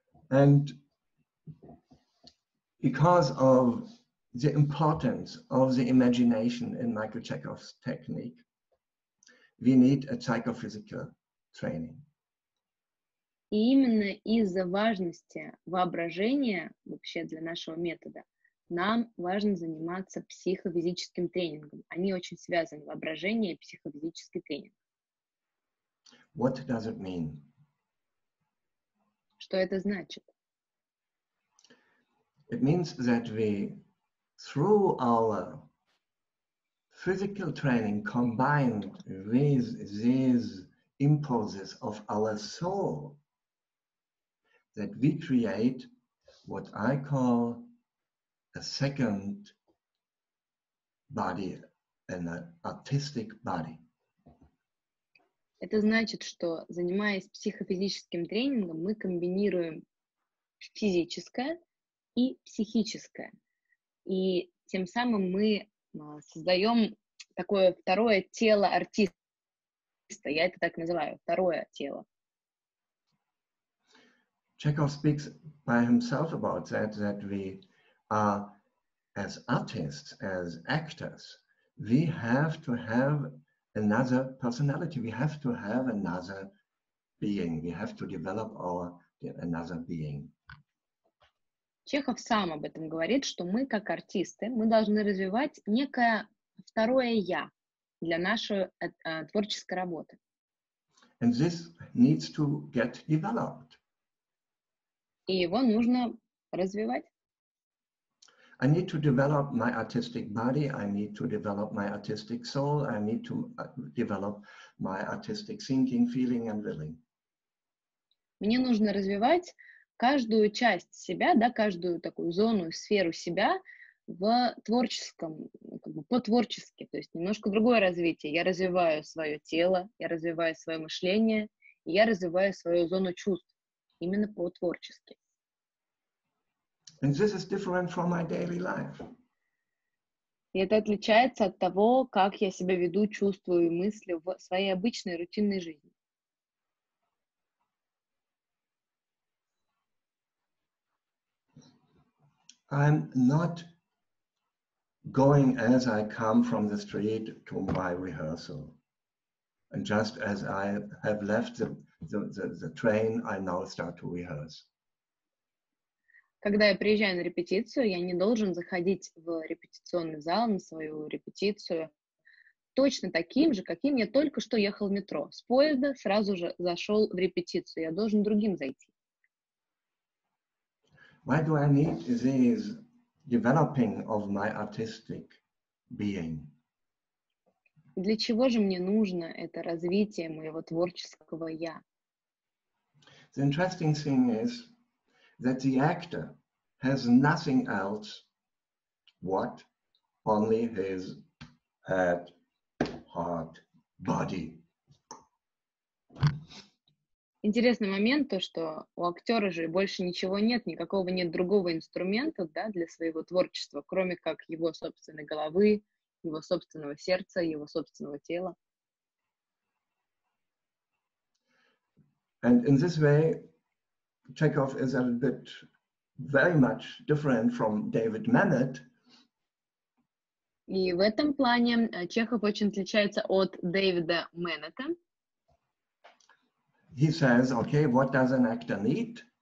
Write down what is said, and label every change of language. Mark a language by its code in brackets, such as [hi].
[en] And because of the importance of the imagination in Michael Chekhov's technique, we need a psychophysical training. [ru] И именно из-за важности воображения вообще для нашего метода нам важно заниматься психофизическим тренингом. Они очень связаны, воображение и психофизический тренинг. [en] What does it mean? [ru] Что это значит? [en] It means that we, through our physical training combined with these impulses of our soul, that we create what I call a second body, an artistic body. [ru] Это значит, что, занимаясь психофизическим тренингом, мы комбинируем физическое и психическое. И тем самым мы создаем такое второе тело артиста. Я это так называю, второе тело. [en] Chekhov speaks by himself about that, that we are, as artists, as actors, we have to have another personality, we have to have another being, we have to develop our another being. [ru] Чехов сам об этом говорит, что мы как артисты, мы должны развивать некое второе я для нашей творческой работы. [en] And this needs to get developed. [ru] И его нужно развивать. [en] I need to develop my artistic body, I need to develop my artistic soul, I need to develop my artistic thinking, feeling and willing. [ru] Мне нужно развивать каждую часть себя, да, каждую такую зону, сферу себя в творческом, как бы по-творчески, то есть немножко другое развитие. Я развиваю свое тело, я развиваю свое мышление, я развиваю свою зону чувств. Именно по-творчески. [en] And this is different from my daily life. [ru] И это отличается от того, как я себя веду, чувствую и мыслю в своей обычной рутинной жизни. [en] I'm not going as I come from the street to my rehearsal. And just as I have left the train, I now start to rehearse. [ru] Когда я приезжаю на репетицию, я не должен заходить в репетиционный зал на свою репетицию точно таким же, каким я только что ехал в метро. С поезда сразу же зашел в репетицию. Я должен другим зайти. [en] Why do I need this developing of my artistic being? [ru] Для чего же мне нужно это развитие моего творческого я? [en] The interesting thing is that the actor has nothing else, what? Only his head, heart, body. [ru] Интересный момент то, что у актера же больше ничего нет, никакого нет другого инструмента, да, для своего творчества, кроме как его собственной головы, его собственного сердца, его собственного тела. [en] And in this way, Chekhov is a little bit very much different from David Mamet. [ru] И в этом плане Чехов очень отличается от Дэвида Мэннета. [en] He says, okay, what does an actor need?